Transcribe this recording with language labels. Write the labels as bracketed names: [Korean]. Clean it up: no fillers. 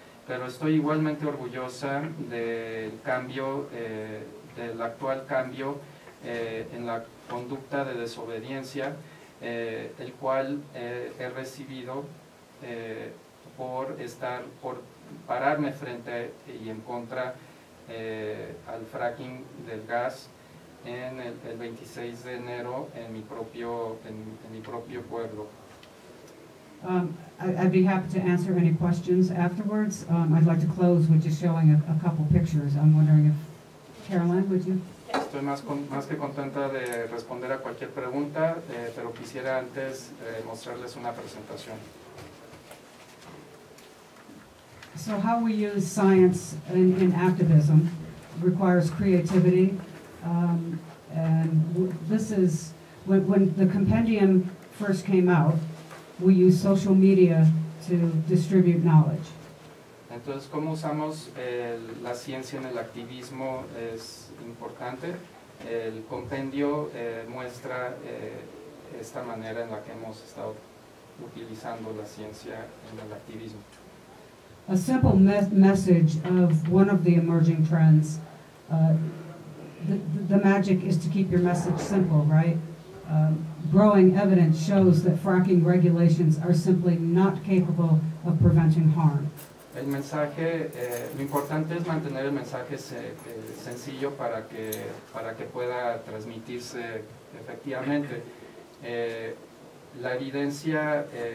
[Spanish] Pero estoy igualmente orgullosa del cambio, del actual cambio en la conducta de desobediencia, el cual he recibido por estar, por pararme frente y en contra al fracking del gas en el 26 de enero en mi propio pueblo. [English] I'd be happy to answer any questions afterwards. I'd like to close with just showing a couple pictures. I'm wondering if Caroline, would you? [Spanish] Estoy más que contenta de responder a cualquier pregunta, pero quisiera antes mostrarles una presentación. [English] So how we use science in activism requires creativity, and this is when the compendium first came out. We use social media to distribute knowledge. [Spanish] Entonces, cómo usamos la ciencia en el activismo es importante. El compendio muestra esta manera en la que hemos estado utilizando la ciencia en el activismo. [English] A simple message of one of the emerging trends. The magic is to keep your message simple, right? Growing evidence shows that fracking regulations are simply not capable of preventing harm. [Spanish] El mensaje, lo importante es mantener el mensaje sencillo para que pueda transmitirse efectivamente. La evidencia.